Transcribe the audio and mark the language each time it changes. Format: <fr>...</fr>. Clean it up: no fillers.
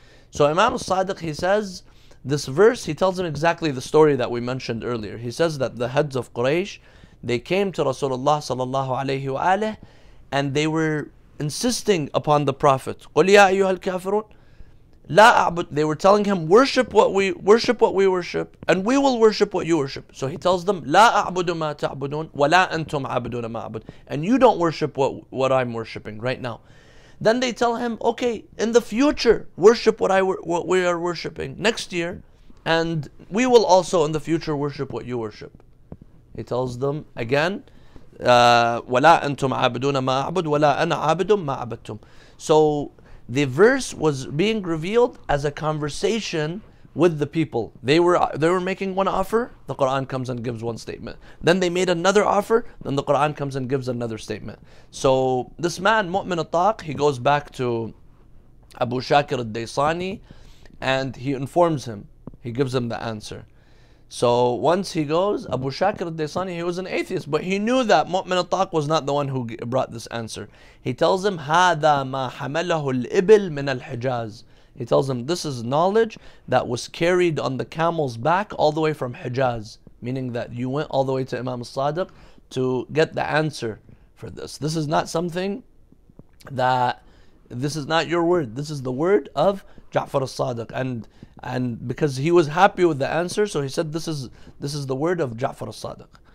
<en>So Imam al-Sadiq, he says, this verse, he tells him exactly the story that we mentioned earlier. He says that the heads of Quraysh, they came to Rasulullah sallallahu alayhi wa alayhi, and they were insisting upon the Prophet.</en> <ar>قُلْ يَا أَيُّهَا الْكَافِرُونَ لَا أَعْبُدْ.</ar> <en>They were telling him, worship what we worship, and we will worship what you worship. So he tells them,</en> <ar>لَا أَعْبُدُ مَا تَعْبُدُونَ وَلَا أَنْتُمْ عَبُدُونَ مَا أَعْبُدُ.</ar> <en>And you don't worship what I'm worshipping right now. Then they tell him, okay, in the future, worship what we are worshipping next year, and we will also in the future worship what you worship. He tells them again,</en> <ar>وَلَا أَنْتُمْ عَابِدُونَ مَا أَعْبُدُ وَلَا أَنَا عَابِدٌ مَا عَبَدْتُمْ.</ar> <en>So the verse was being revealed as a conversation with the people. They were making one offer, the Quran comes and gives one statement. Then they made another offer, then the Quran comes and gives another statement. So this man, Mu'min al-Taq, he goes back to Abu Shakir al-Daysani and he informs him, he gives him the answer. So once he goes, Abu Shakir al-Daysani, he was an atheist, but he knew that Mu'min al-Taq was not the one who brought this answer. He tells him,</en> <ar>هَذَا مَا حَمَلَهُ الْإِبِلْ مِنَ الْحِجَازِ.</ar> <en>He tells him, this is knowledge that was carried on the camel's back all the way from Hijaz, meaning that you went all the way to Imam al-Sadiq to get the answer for this. This is not something that, this is not your word. This is the word of Ja'far al-Sadiq. And because he was happy with the answer, so he said, this is the word of Ja'far al-Sadiq.</en>